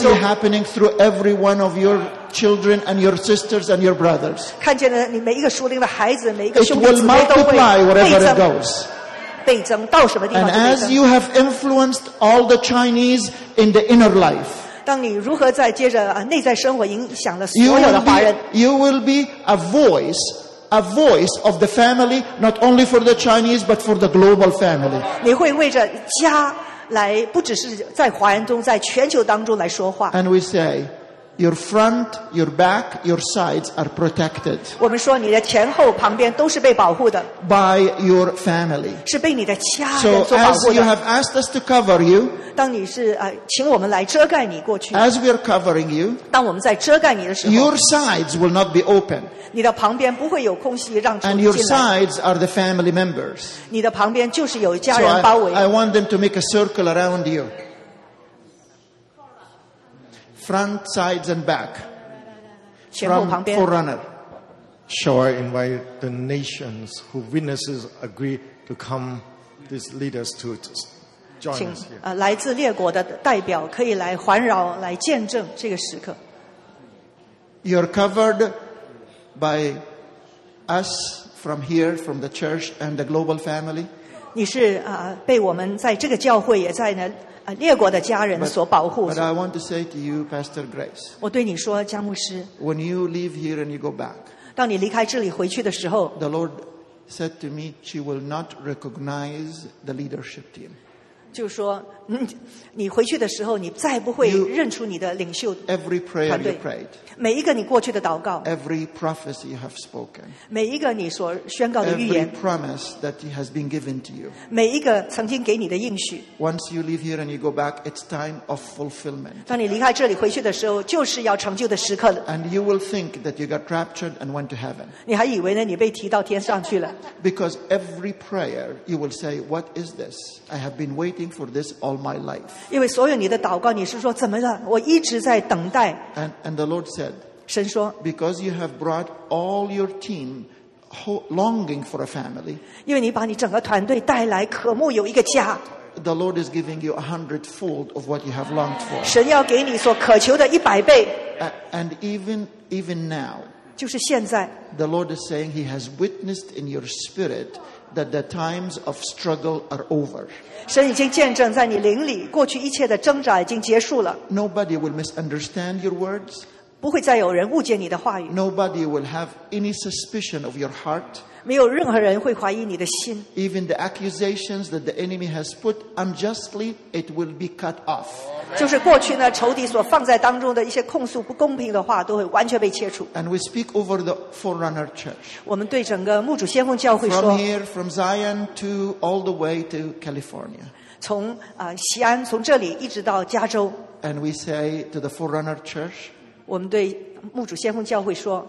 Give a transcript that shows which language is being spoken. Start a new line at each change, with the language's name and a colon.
English: 中，but you will see it happening through every one of your children and your sisters and your brothers.
Chinese: 看见了你每一个属灵的孩子，每一个兄弟姊妹
English: 都会倍增。 It will multiply wherever it goes.
Chinese: 倍增到什么地方？
English: And as you have influenced all the Chinese in the inner life,
Chinese: 当你如何在接着内在生活影响了所有的华人
English: ，You will be a voice of the family, not only for the Chinese but for the global family.
Chinese: 你会为着家来，不只是在华人中，在全球当中来说话。
English: And we say. Your front, your back, your sides are protected.
Chinese: 我们说你的前后旁边都是被保护的。
English: By your family.
Chinese: 是被你的家人所保护的。
English: So as you have asked us to cover you.
Chinese: 当你是请我们来遮盖你过去。
English: As we are covering you.
Chinese: 当我们在遮盖你的时候。
English: Your sides will not be open.
Chinese: 你的旁边不会有空隙让出进来。
English: And your sides are the family members.
Chinese: 你的旁边就是有家人包围。
English: So I want them to make a circle around you. Front, sides, and back. From forerunner. Shall I invite the nations who witnesses agree to come, these leaders to join us here?
Chinese: 来自列国的代表可以来环绕来见证这个时刻。
English: You're covered by us from here, from the church and the global family.
Chinese: 你是被我们在这个教会也在呢。列国的家人所保护。
English: But I want to say to you, Pastor Grace.
Chinese: 我对你说，佳牧师。
English: When you leave here and you go back.
Chinese: 当你离开这里回去的时候。
English: The Lord said to me, she will not recognize the leadership team.
Chinese: 就说，你回去的时候，你再不会认出你的领袖团队。
English: Every prayer you prayed.
Chinese: 每一个你过去的祷告。
English: Every prophecy you have spoken.
Chinese: 每一个你所宣告的预言。
English: Every promise that has been given to you.
Chinese: 每一个曾经给你的应许。
English: Once you leave here and you go back, it's time of fulfillment.
Chinese: 当你离开这里回去的时候，就是要成就的时刻了。
English: And you will think that you got raptured and went to heaven.
Chinese: 你还以为呢，你被提到天上去了。
English: Because every prayer you will say, "What is this? I have been waiting for this all my life."
Chinese: 因为所有你的祷告，你是说怎么了？我一直在等待。
English: And the Lord said.
Chinese: 神说
English: ，Because you have brought all your team longing for a family.
Chinese: 因为你把你整个团队带来，渴慕有一个家。
English: The Lord is giving you a hundredfold of what you have longed for.
Chinese: 神要给你所渴求的一百倍。
English: And even now.
Chinese: 就是现在。
English: The Lord is saying He has witnessed in your spirit. That the times of struggle are over.
Chinese: 神已经见证在你灵里，过去一切的挣扎已经结束了。
English: Nobody will misunderstand your words.
Chinese: 不会再有人误解你的话语。
English: Nobody will have any suspicion of your heart.
Chinese: 没有任何人会怀疑你的心。
English: Even the accusations that the enemy has put unjustly, it will be cut off.
Chinese: 就是过去呢，仇敌所放在当中的一些控诉不公平的话，都会完全被切除。
English: And we speak over the forerunner church.
Chinese: 我们对整个牧主先锋教会说。
English: From here, from Zion to all the way to California.
Chinese: 从西安，从这里一直到加州。
English: And we say to the forerunner church.
Chinese: 我们对牧主先锋教会说。